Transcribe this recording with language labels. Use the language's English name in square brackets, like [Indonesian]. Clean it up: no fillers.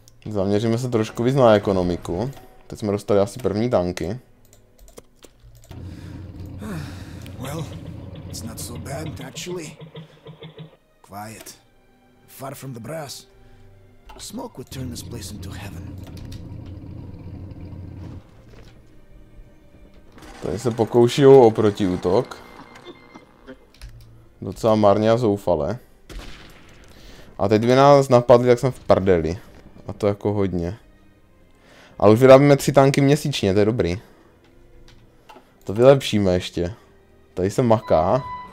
[Czech] Zaměříme se trošku víc na ekonomiku. Teď jsme dostali asi první tanky. [English] Well, it's not so bad actually. Quiet. Far from the brass. Smoke would turn this place into heaven. [Czech] Tady se pokouší o protiútok. Docela marně a zoufale. A teď by nás napadli, jak jsme v prdeli. A to jako hodně. Ale už vyrábíme 3 tanky měsíčně, to je dobrý. To vylepšíme ještě. Tady se maká.